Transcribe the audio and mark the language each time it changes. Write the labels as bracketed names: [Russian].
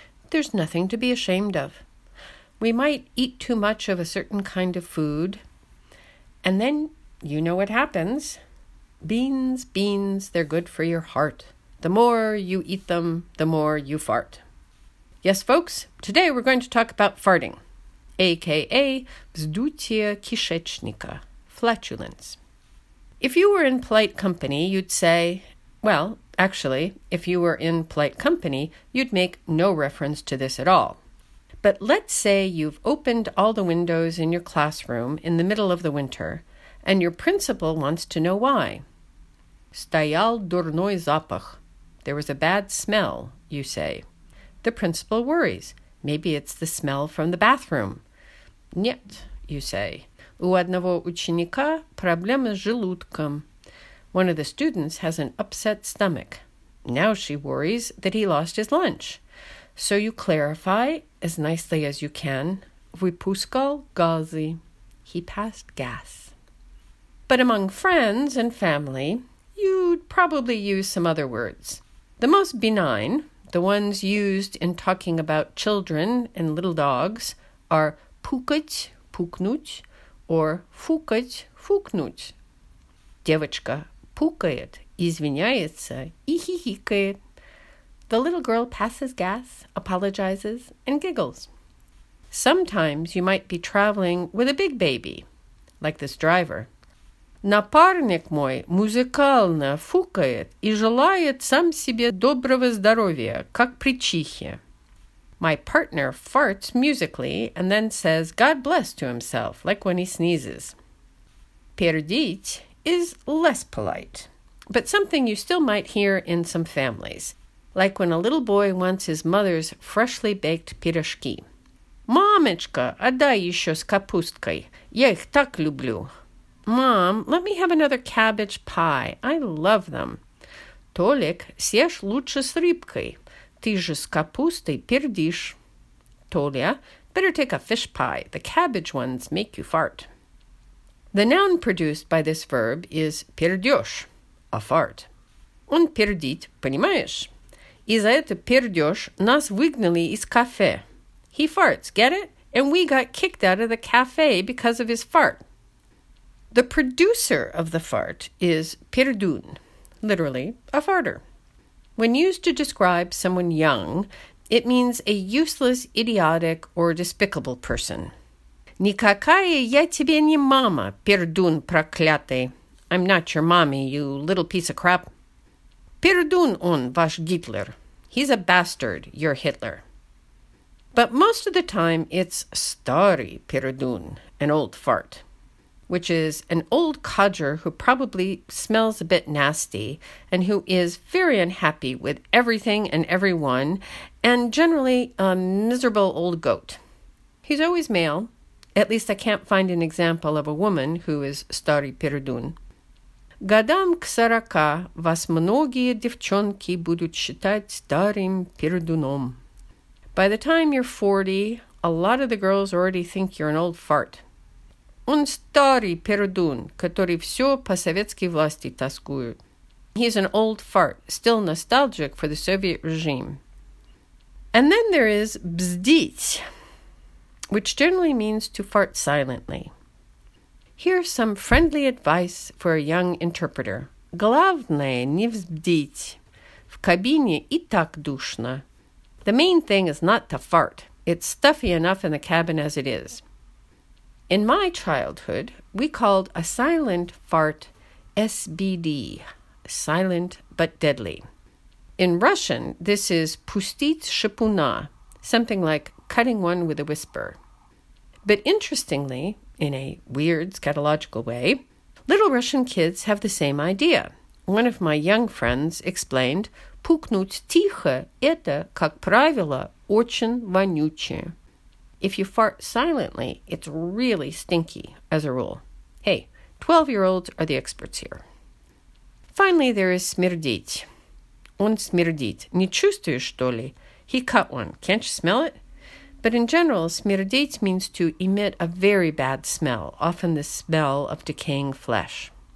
[English] There's nothing to be ashamed of. We might eat too much of a certain kind of food, and then you know what happens. Beans, they're good for your heart. The more you eat them, the more you fart. Yes, folks, today we're going to talk about farting, a.k.a. [Russian] вздутие кишечника, flatulence. [English] If you were in polite company, you'd say, well, actually, if you were in polite company, you'd make no reference to this at all. But let's say you've opened all the windows in your classroom in the middle of the winter, and your principal wants to know why. [Russian] Стоял дурной запах. [English] There was a bad smell, you say. The principal worries. Maybe it's the smell from the bathroom. Нет, you say. [Russian] У одного ученика проблема с желудком. [English] One of the students has an upset stomach. Now she worries that he lost his lunch. So you clarify as nicely as you can. [Russian] Выпускал газы. [English] He passed gas. But among friends and family, you'd probably use some other words. The most benign, the ones used in talking about children and little dogs, are пукать, пукнуть, or фукать, фукнуть. [Russian] Девочка пукает, извиняется, и хихикает. [English] The little girl passes gas, apologizes, and giggles. Sometimes you might be traveling with a big baby, like this driver. [Russian] Напарник мой музыкально фукает и желает сам себе доброго здоровья, как при чихе. [English] My partner farts musically and then says God bless to himself, like when he sneezes. Пердить is less polite, but something you still might hear in some families, like when a little boy wants his mother's freshly baked пирожки. [Russian] Мамочка, отдай еще с капусткой, я их так люблю. [English] Mom, let me have another cabbage pie. I love them. [Russian] Толик, съешь лучше с рыбкой. Ты же с капустой пердишь. [English] Толя, better take a fish pie. The cabbage ones make you fart. The noun produced by this verb is пердешь, a fart. [Russian] Он пердит, понимаешь? И за это пердешь нас выгнали из кафе. [English] He farts, get it? And we got kicked out of the cafe because of his fart. The producer of the fart is пердун, literally a farter. When used to describe someone young, it means a useless, idiotic, or despicable person. [Russian] Никакая я тебе не мама, пердун проклятый. [English] I'm not your mommy, you little piece of crap. [Russian] Пердун он ваш Гитлер. [English] He's a bastard, your Hitler. But most of the time, it's старый пердун, an old fart, which is an old codger who probably smells a bit nasty and who is very unhappy with everything and everyone and generally a miserable old goat. He's always male. At least I can't find an example of a woman who is старый пердун. [Russian] Годам к сорока вас многие девчонки будут считать старым пердуном. [English] By the time you're 40, a lot of the girls already think you're an old fart. [Russian] Он старый пердун, который все по советской власти тоскует. [English] He's an old fart, still nostalgic for the Soviet regime. And then there is бздить, which generally means to fart silently. Here's some friendly advice for a young interpreter. [Russian] Главное не вздить. В кабине и так душно. [English] The main thing is not to fart. It's stuffy enough in the cabin as it is. In my childhood, we called a silent fart SBD, silent but deadly. In Russian, this is пустить шипуна, something like cutting one with a whisper. But interestingly, in a weird scatological way, little Russian kids have the same idea. One of my young friends explained, [Russian] пукнуть тихо – это, как правило, очень вонючее. [English] If you fart silently, it's really stinky, as a rule. Hey, 12-year-olds are the experts here. Finally, there is смердить, [Russian] он смердит. Не чувствуешь, что ли? [English] He cut one. Can't you smell it? But in general, smirdit means to emit a very bad smell, often the smell of decaying flesh.